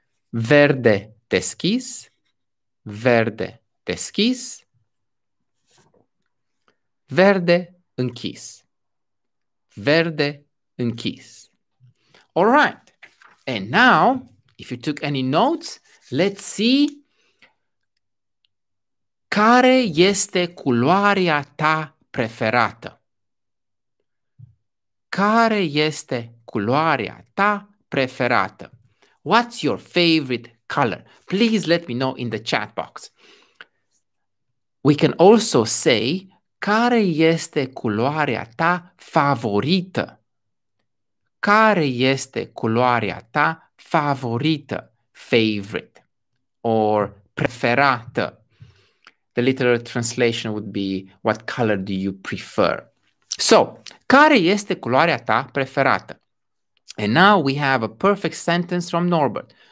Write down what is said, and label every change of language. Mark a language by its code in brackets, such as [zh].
[ro] Verde deschis. Verde deschis. Verde închis. Verde închis. [en] All right. And now, if you took any notes, let's see. [ro] Care este culoarea ta preferată? Care este culoarea ta preferată? [en] What's your favorite color? Please let me know in the chat box. We can also say, [ro] care este culoarea ta favorită? Care este culoarea ta favorită? [en] Favorite or preferată. The literal translation would be, what color do you prefer? [ro] So, care este culoarea ta preferată? [en] And now we have a perfect sentence from Norbert.